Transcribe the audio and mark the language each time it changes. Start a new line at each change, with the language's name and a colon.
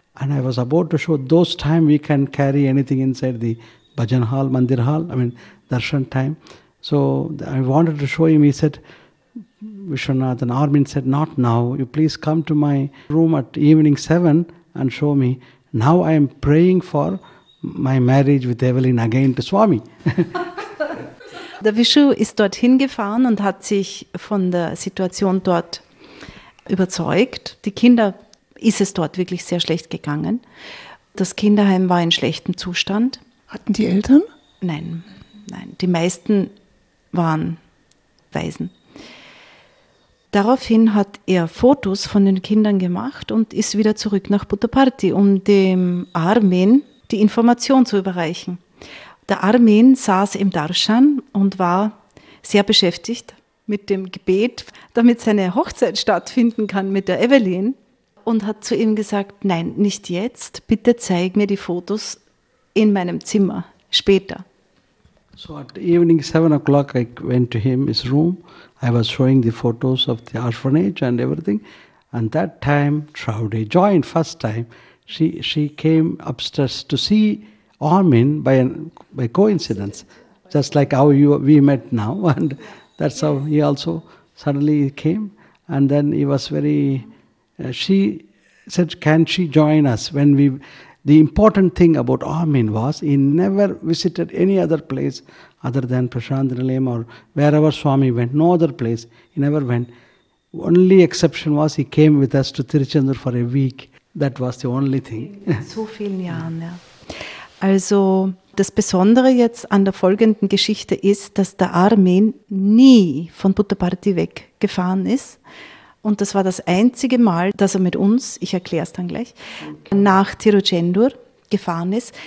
English: And I was about to show, those time we can carry anything inside the bhajan hall, mandir hall, I mean, darshan time. So I wanted to show him, he said, Vishwanathan, Armin said, not now. You please come to my room at evening 7 and show me. Now I am praying for my marriage with Evelyn again to Swami.
German: Der Vishu ist dorthin gefahren und hat sich von der Situation dort überzeugt. Die Kinder, ist es dort wirklich sehr schlecht gegangen. Das Kinderheim war in schlechtem Zustand. Hatten die Eltern? Nein, nein. Die meisten waren Waisen. Daraufhin hat er Fotos von den Kindern gemacht und ist wieder zurück nach Puttaparthi, um dem Armin die Information zu überreichen. Der Armin saß im Darshan und war sehr beschäftigt mit dem Gebet, damit seine Hochzeit stattfinden kann mit der Evelyn, und hat zu ihm gesagt, nein, nicht jetzt, bitte zeig mir die Fotos in meinem Zimmer, später.
English: So at evening 7 o'clock I went to him, his room. I was showing the photos of the orphanage and everything. And that time, Trowde joined first time. She came upstairs to see Armin by coincidence. Just like how we met now. And that's how he also suddenly came. And then he was very... she said, can she join us when we... The important thing about Armin was he never visited any other place other than Prashantanilayam or wherever Swami went. No other place. He never went. Only exception was he came with us to Tiruchendur for a week. That was the only thing.
German: So vielen Jahren, ja. Also, das Besondere jetzt an der folgenden Geschichte ist, dass der Armin nie von Puttaparthi weggefahren ist. Und das war das einzige Mal, dass er mit uns, ich erkläre es dann gleich, okay, nach Tiruchendur gefahren ist.